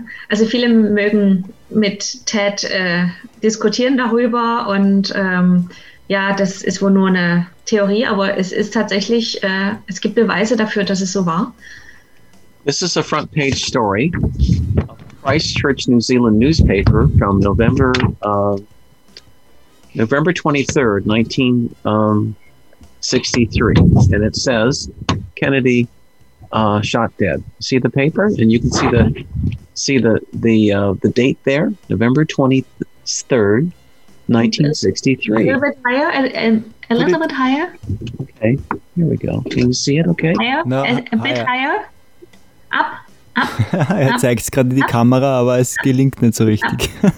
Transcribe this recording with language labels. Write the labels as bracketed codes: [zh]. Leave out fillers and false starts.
[de] Also viele mögen mit Ted diskutieren darüber und das ist wohl nur eine Theorie, aber es ist tatsächlich, es gibt Beweise dafür, dass es so war. [en] This is a front page story of Christchurch, New Zealand newspaper from November 23rd, 1963, and it says Kennedy shot dead. See the paper? And you can see the see the date there, November 23rd, 1963. A little bit higher, a little bit higher. Okay, here we go. Can you see it okay? A bit higher. Up. [de] Er zeigt es gerade in die Kamera, aber es gelingt nicht so richtig.